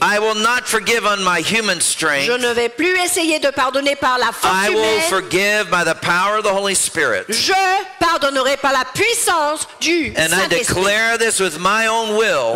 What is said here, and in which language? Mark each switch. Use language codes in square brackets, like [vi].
[en] I will not forgive on my human strength. [fr] Je ne vais plus essayer de pardonner par la force [en] I [fr] humaine. [en] I will forgive by the power of the Holy Spirit. [fr] Je pardonnerai par la puissance du Saint-Esprit. [en] And I declare this with my own will,